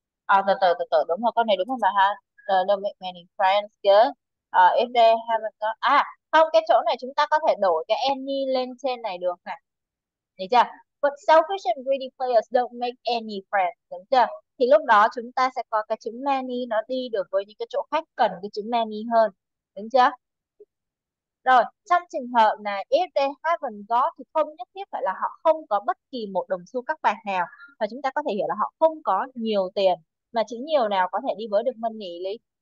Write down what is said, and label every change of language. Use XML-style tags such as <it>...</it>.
<vi>À, từ từ, đúng rồi, con này đúng rồi mà ha.</vi> <en>Don't make many friends</en> <vi>chứ.</vi> <en>If they haven't got...</en> <vi>À, không, cái chỗ này chúng ta có thể đổi cái any lên trên này được nè. Được chưa?</vi> <en>But selfish and greedy players don't make any friends,</en> <vi>đúng chưa? Thì lúc đó chúng ta sẽ có cái chữ many nó đi được với những cái chỗ khác cần cái chữ many hơn, đúng chưa? Rồi, trong trường hợp này,</vi> <en>if they haven't got</en> <vi>thì không nhất thiết phải là họ không có bất kỳ một đồng xu các bạn nào. Và chúng ta có thể hiểu là họ không có nhiều tiền. Mà chữ nhiều nào có thể đi với được money lý.</vi>